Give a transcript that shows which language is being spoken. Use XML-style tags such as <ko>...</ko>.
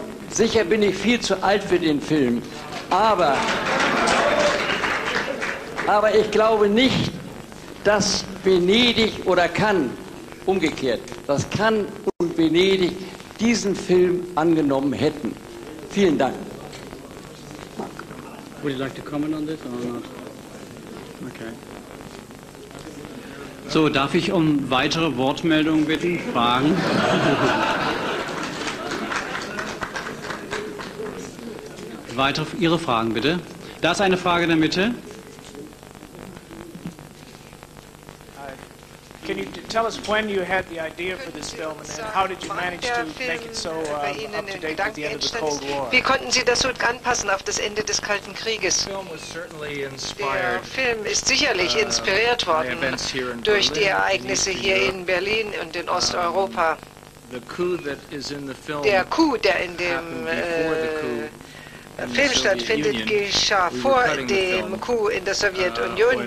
<de>Sicher bin ich viel zu alt für den Film, aber ich glaube nicht, dass Venedig oder Cannes, umgekehrt, dass Cannes und Venedig diesen Film angenommen hätten. Vielen Dank.</de> <en>Would you like to comment on this or not? Okay.</en> <de>So, darf ich um weitere Wortmeldungen bitten? Fragen? Weitere, Ihre Fragen bitte. Da ist eine Frage in der Mitte.</de> <en>Can you tell us when you had the idea for this film and how did you manage to make it so up to date at the end of the Cold War?</en> <de>Wie konnten Sie das so anpassen auf das Ende des Kalten Krieges? Der Film ist sicherlich inspiriert worden durch die Ereignisse hier in Berlin und in Osteuropa. Der Coup, der in dem Film stattfindet, geschah vor dem Coup in der Sowjetunion.</de>